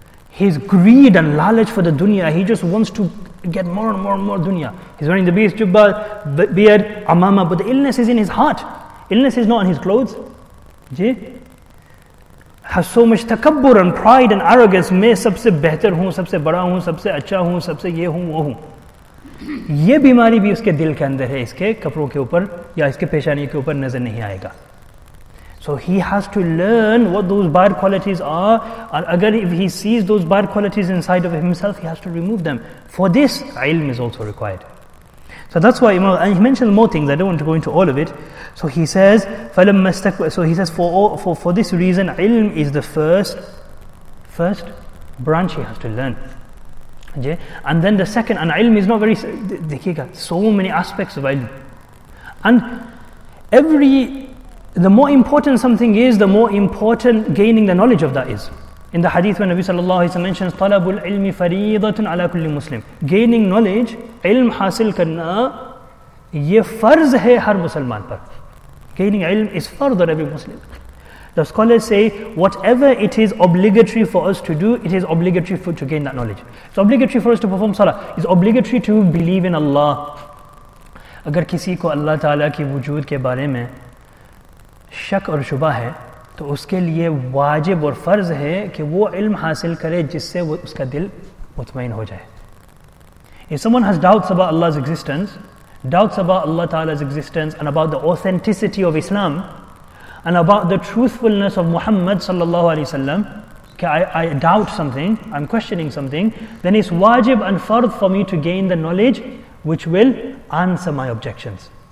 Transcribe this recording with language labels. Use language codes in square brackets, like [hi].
[en] His greed and lalage for the dunya, he just wants to get more and more and more dunya. He's wearing the biggest jubba, beard, amama, but the illness is in his heart. Illness is not on his clothes. Has so much takabbur and pride and arrogance. [ur] میں سب سے بہتر ہوں, سب سے بڑا ہوں, سب سے اچھا ہوں, سب سے یہ ہوں وہ ہوں. یہ بیماری بھی اس کے دل کے اندر ہے, اس کے کپڑوں کے اوپر یا اس کے پیشانی کے اوپر نظر نہیں آئے گا. [en] So he has to learn what those bad qualities are, and again, if he sees those bad qualities inside of himself, he has to remove them. For this, علم is also required. So that's why Imam, and he mentions more things, I don't want to go into all of it. So he says, for this reason, ilm is the first branch he has to learn. And then the second, and ilm is not very, so many aspects of ilm. And the more important something is, the more important gaining the knowledge of that is. In the hadith when Nabi sallallahu alayhi wa sallam mentions, [ar] طَلَبُ الْعِلْمِ فَرِيضَةٌ عَلَىٰ كُلِّ مُسْلِمٍ. [en] Gaining knowledge, [ur] علم حاصل کرنا, یہ فرض ہے ہر مسلمان پر. [en] Gaining علم is فرض on every Muslim. The scholars say, whatever it is obligatory for us to do, it is obligatory for to gain that knowledge. It's obligatory for us to perform salah. It's obligatory to believe in Allah. [ur] اگر کسی کو اللہ تعالیٰ کی وجود کے بارے میں شک اور شبہ ہے, تو اس کے لیے واجب اور فرض ہے کہ وہ علم حاصل کرے جس سے اس کا دل مطمئن ہو جائے. [en] If someone has doubts about Allah's existence, doubts about Allah Ta'ala's existence and about the authenticity of Islam and about the truthfulness of Muhammad sallallahu alayhi wa sallam, I doubt something, I'm questioning something, then it's wajib and fard for me to gain the knowledge which will answer my objections.